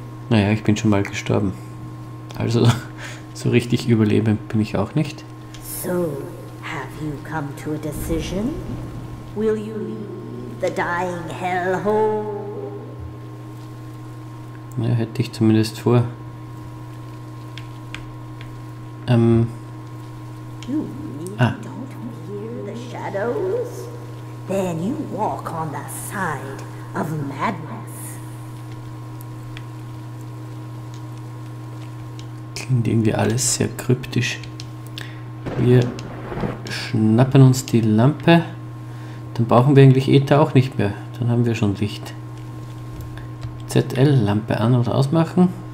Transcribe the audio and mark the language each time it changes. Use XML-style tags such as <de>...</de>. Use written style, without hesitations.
<de>Naja, ich bin schon mal gestorben. Also, so richtig überleben bin ich auch nicht.</de> <en>So, have you come to a decision? Will you leave the dying hellhole?</en> <de>Naja, hätte ich zumindest vor.</de> <en>You really don't hear the shadows? Then you walk on the side of madness.</en> <de>Klingt irgendwie alles sehr kryptisch. Wir schnappen uns die Lampe. Dann brauchen wir eigentlich Ether auch nicht mehr. Dann haben wir schon Licht. ZL, Lampe an- oder ausmachen.</de>